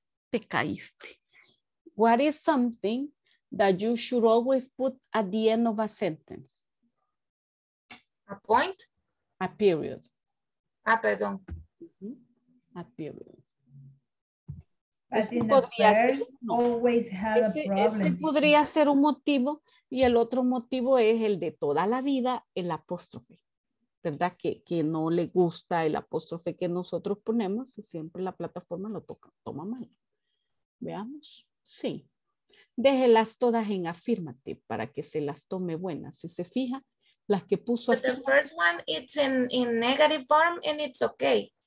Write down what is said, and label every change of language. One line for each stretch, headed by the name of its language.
Spanish: Te caíste.
English: What is something that you should always put at the end of a sentence? A point? A period.
Spanish: Ah, perdón.
English: Mm-hmm. A period. As in the verb, always have a problem.
Spanish: Este podría ser un motivo y el otro motivo es el de toda la vida, el apóstrofe. ¿Verdad? Que no le gusta el apóstrofe que nosotros ponemos y siempre la plataforma lo toma mal. Veamos. Sí. Déjelas todas en affirmative para que se las tome buenas. Si se fija, las que puso.
English: But the first one, it's in negative form and it's okay.